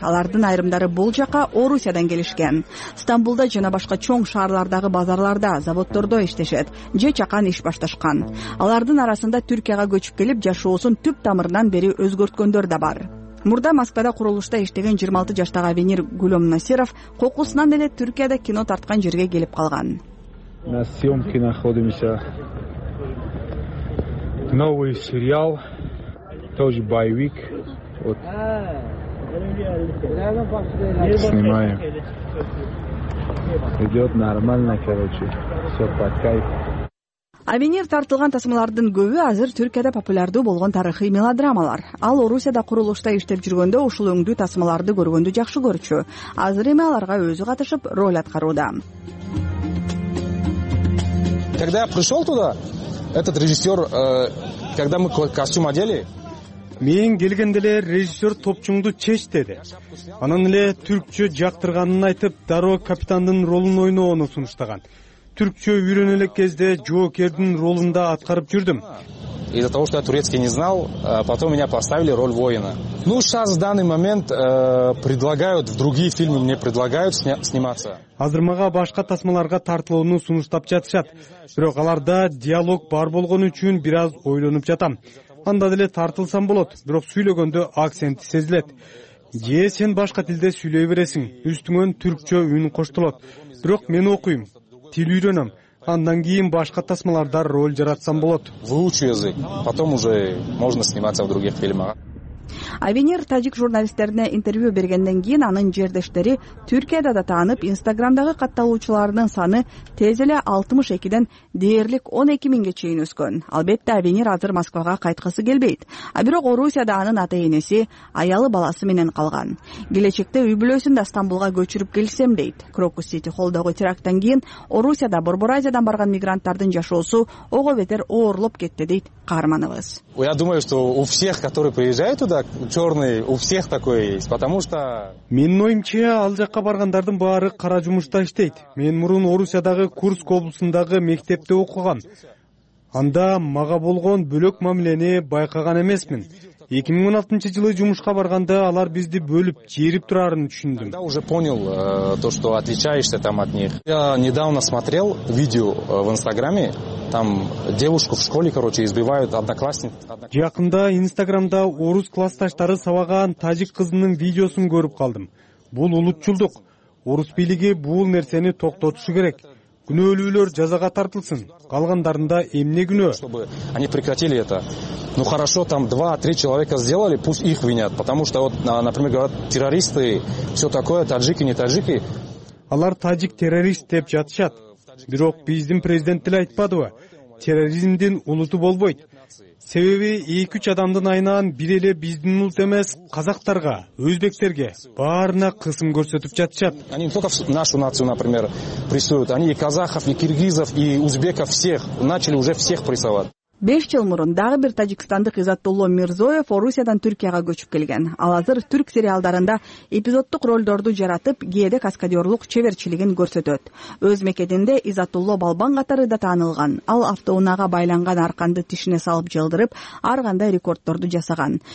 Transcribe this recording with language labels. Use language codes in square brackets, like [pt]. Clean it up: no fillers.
[ky] Алардын айрымдары бул жака Орусиядан келишкен. Стамбулда жана башка чоң шаарлардагы базарларда, заводдордо иштешет же чакан иш башташкан. Алардын арасында Түркияга көчүп келип жашоосун түп тамырынан бери өзгөрткөндөр да бар. Мурда Москвада курулушта иштеген 26 жаштагы Венир Гүлөм Насиров кокусунан эле Түркияда кино тарткан жерге келип калган. [ru] на съемки находимся. Новый сериал, тоже боевик. Вот. Снимаем. Идет нормально, короче. Все, по кайфу. [ky] Авенир тартылган тасмалардын көбү азыр Түркияда популярдуу болгон тарыхый мелодрамалар. Ал Орусияда курулушта иштеп жүргөндө ушул өңдүү тасмаларды көргөндү жакшы көрчү. Азыр эми аларга өзү катышып роль аткарууда. [ru] Когда я пришел туда, этот режиссер, когда мы костюм одели, [ky] мен келгенде эле режиссер топчуңду чеч деди. Анан эле түркчө жактырганын айтып, дароо капитандын ролун ойнооно сунуштаган. Түркчө үйрөнөлек кезде Джокердин ролунда аткарып жүрдүм. [ru] Из-за того, что я турецкий не знал, потом меня поставили роль воина. Ну, сейчас в данный момент предлагают, в другие фильмы мне предлагают сниматься. [ky] Азыр мага башка тасмаларга тартылууну сунуштап жатышат. Бирок аларда диалог бар болгону үчүн бир аз ойлонуп жатам. Анда деле тартылсам болот, бирок сүйлөгөндө акцент сезилет. Же сен башка тилде сүйлөй бересиң, үстүңөн түркчө үн коштолот. Бирок мен окуйм. Тил үйрөнөм, андан кийин башка тасмаларда роль жаратсам болот. [ru] Выучу язык, потом уже можно сниматься в других фильмах. [ky] Авенир тажик журналисттерине интервью бергенден кийин анын жердештери Түркияда да таанып, Инстаграмдагы катталуучуларынын саны тез эле 62-ден дээрлик 12 миңге чейин өскөн. Албетте, Авенир азыр Москвага кайткысы келбейт. А бирок Орусияда анын ата-энеси, аялы баласы менен калган. Келечекте үй бүлөсүн да Стамбулга көчүрүп келсем дейт. Крокус Сити холдогу терактан кийин Орусияда Борборазиядан барган мигранттардын жашоосу ого бетер оорлоп кетти дейт каарманыбыз. [ru] Я думаю, что у всех, которые приезжают туда, чёрный у всех такой есть, потому что... [ky] Менин оюмча ал жакка баргандардын баары кара жумушта иштейт. Мен мурун Орусиядагы Курск облусундагы мектепте окуган. Анда мага болгон бөлөк мамилени байкаган эмесмин. 2016 жылы жумушка барганда алар бизди бөлүп, жерип турарын түшүндүм. [ru] Я уже понял то, что отличаешься там от них. Я недавно смотрел видео в Инстаграме. Там девушку в школе, короче, избивают одноклассник. [ky] Жакында Инстаграмда орус классташтары сабаган тажик кызынын видеосун көрүп калдым. Бул улутчулдук. Орус бийлиги бул нерсени токтотушу керек. Күнөөлүүлөр жазага тартылсын. Калгандарында эмне күнөө? [ru] Чтобы они прекратили это. Ну хорошо, там 2-3 человека сделали, пусть их винят. Потому что, вот, например, говорят, террористы, все такое, таджики, не таджики. [ky] Алар таджик террорист деп жатышат. Бирок биздин президент деле айтпадыбы? Терроризмдин улуту болбойт. Себеби 2-3 адамдын айынан бир эле биздин улут эмес, казактарга, өзбектерге баарына кысым көрсөтүп жатышат. [ru] Они не только нашу нацию, например, прессуют. Они и казахов, и киргизов, и узбеков всех. Начали уже всех прессовать. [ky] 5 жыл мурун дагы бир тажикстандык Изатулло Мирзоев Орусиядан Түркияга көчүп келген. Ал азыр түрк сериалдарында эпизоддук ролдорду жаратып, кээде каскадерлук чеберчилигин көрсөтөт. Өз мекенинде Изатулло Балбан катары да таанылган. Ал автоунаага байланган арканды тишине салып жылдырып, ар кандай рекордторду жасаган.